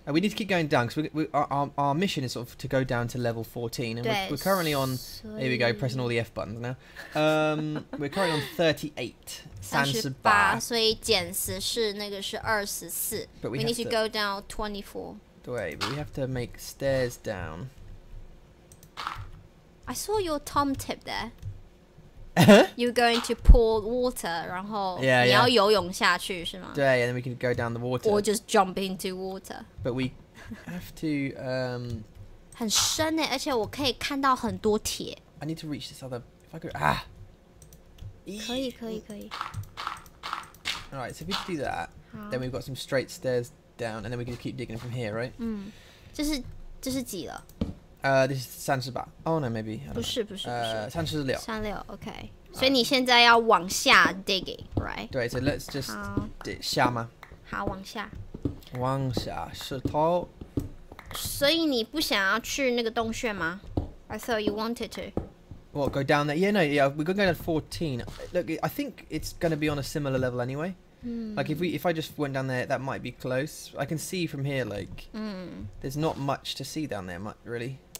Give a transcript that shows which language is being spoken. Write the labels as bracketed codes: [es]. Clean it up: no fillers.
[en] ？We need to keep going down because our mission is sort of to go down to level 14 and we're currently on. Here we go, pressing all the F buttons now. we're currently on 38, [zh] 38，所以减十是那个是二十四 [en] ，But we need to go down 24. [zh] 对 [en] ，But we have to make stairs down. I saw your Tom tip there. You're going to pour water, [zh] 然后 [en] yeah, [zh] 你要游泳下去是吗？对 [en] ，and then we can go down the water. Or just jump into water. But we have to. [zh] 很深诶，而且我可以看到很多铁。 [en] I need to reach this other. If I could, [zh] 可以。 [en] All right, so if we do that, then we've got some straight stairs down, and then we can keep digging from here, right? [zh] 这是几了？ [en] This is 38. Oh no, maybe. [zh] 不是。 [en] 36. 36, okay. So you [zh] 现在要往下 [en] digging, right? [zh] 对 [en] so let's just dig [zh] 下吗？好，往下。往下石头。所以你不想要去那个洞穴吗？ [en] I thought you wanted to. What, go down there? Yeah, no, yeah. We're going to go down 14. Look, I think it's going to be on a similar level anyway. Like if I just went down there, that might be close. I can see from here. Like, there's not much to see down there, really.